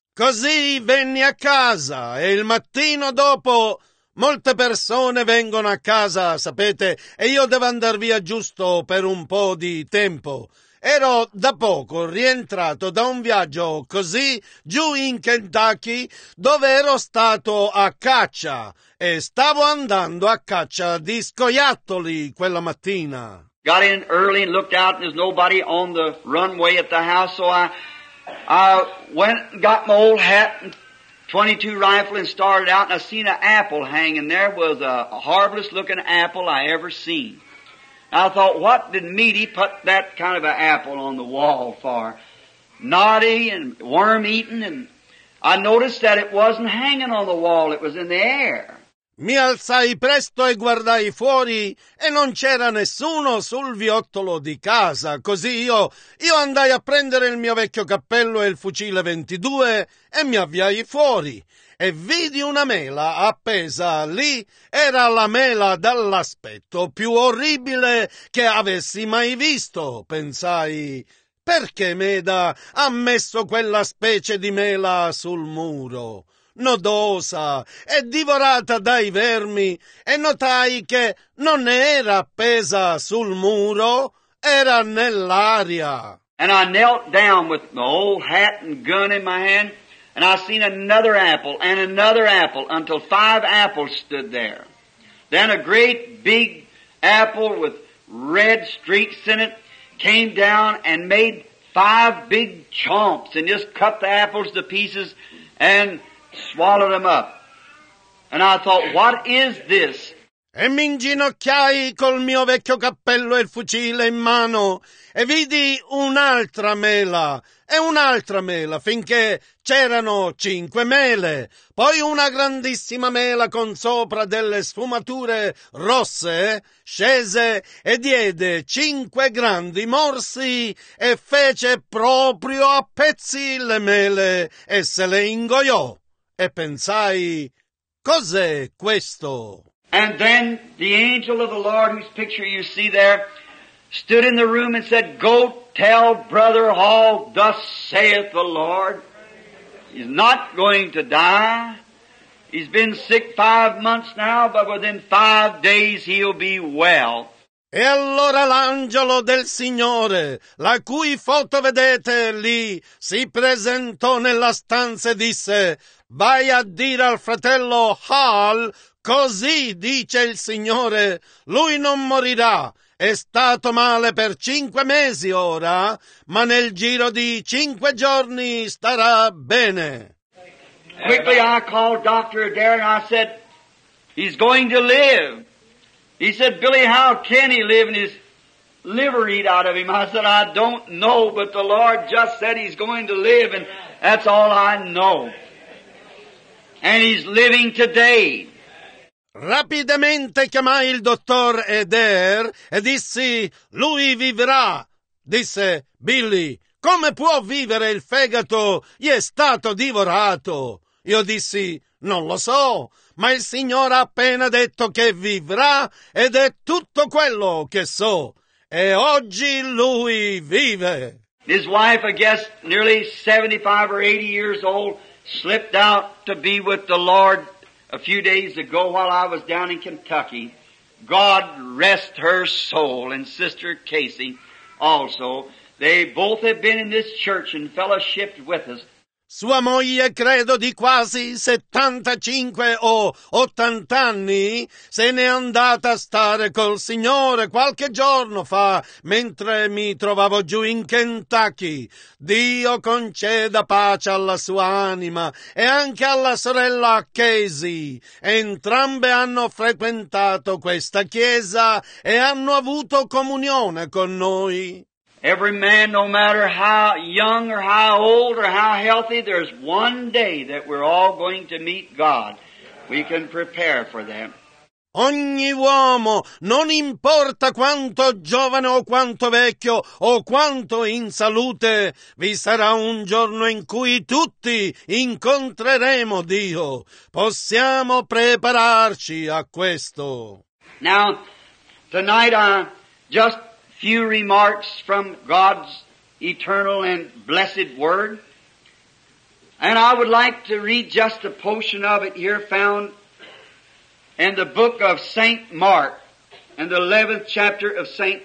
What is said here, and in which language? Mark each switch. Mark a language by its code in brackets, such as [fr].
[it] Così venni a casa e il mattino dopo molte persone vengono a casa, sapete, e io devo andar via giusto per un po' di tempo. Ero da poco rientrato da un viaggio così giù in Kentucky dove ero stato a caccia e stavo andando a caccia di scoiattoli quella mattina. [en] Got in early and looked out and there's nobody on the runway at the house, so I went and got my old hat and 22 rifle and started out and I seen an apple hanging there. It was the horriblest looking apple I ever seen. I thought, what did Meaty put that kind of an apple on the wall for? Knotty and worm-eaten, and I noticed that it wasn't hanging on the wall, it was in the air. [it] Mi alzai presto e guardai fuori e non c'era nessuno sul viottolo di casa. Così io andai a prendere il mio vecchio cappello e il fucile 22 e mi avviai fuori. E vidi una mela appesa lì. Era la mela dall'aspetto più orribile che avessi mai visto. Pensai, perché Meda ha messo quella specie di mela sul muro? Nodosa e divorata dai vermi, e notai che non era appesa sul muro, era nell'aria. [en] And I knelt down with my old hat and gun in my hand, and I seen another apple and another apple until five apples stood there. Then a great big apple with red streaks in it came down and made five big chomps and just cut the apples to pieces and swallowed them up. And I thought, what is this? [it] E mi inginocchiai col mio vecchio cappello e il fucile in mano e vidi un'altra mela e un'altra mela finché c'erano cinque mele, poi una grandissima mela con sopra delle sfumature rosse scese e diede cinque grandi morsi e fece proprio a pezzi le mele e se le ingoiò. E pensai, cos'è questo? [en] And then the angel of the Lord, whose picture you see there, stood in the room and said, go tell Brother Hall, thus saith the Lord. He's not going to die. He's been sick 5 months now, but within 5 days he'll be well. [it] E allora l'angelo del Signore, la cui foto vedete lì, si presentò nella stanza e disse, vai a dire al fratello Hall, così dice il Signore, lui non morirà, è stato male per 5 mesi ora, ma nel giro di 5 giorni starà bene. [en] Quickly I called Dr. Adair and I said, he's going to live. He said, Billy, how can he live and his liver eat out of him? I said, I don't know, but the Lord just said he's going to live, and that's all I know. And he's living today. [it] Rapidamente chiamai il dottor Eder e dissi, lui vivrà. Disse, Billy, come può vivere il fegato? Gli è stato divorato. Io dissi, non lo so, ma il Signore ha appena detto che vivrà ed è tutto quello che so. E oggi lui vive. [en] His wife, I guess, nearly 75 or 80 years old, slipped out to be with the Lord a few days ago while I was down in Kentucky. God rest her soul. And Sister Casey also. They both have been in this church and fellowshipped with us. [it] Sua moglie, credo di quasi 75 o 80 anni, se n'è andata a stare col Signore qualche giorno fa, mentre mi trovavo giù in Kentucky. Dio conceda pace alla sua anima e anche alla sorella Casey. Entrambe hanno frequentato questa chiesa e hanno avuto comunione con noi. [en] Every man, no matter how young or how old or how healthy, there's one day that we're all going to meet God. We can prepare for that. [it] Ogni uomo, non importa quanto giovane o quanto vecchio o quanto in salute, vi sarà un giorno in cui tutti incontreremo Dio. Possiamo prepararci a questo. [en] Now, tonight, just few remarks from God's eternal and blessed word. And I would like to read just a portion of it here found in the book of St. Mark, in the 11th chapter of St.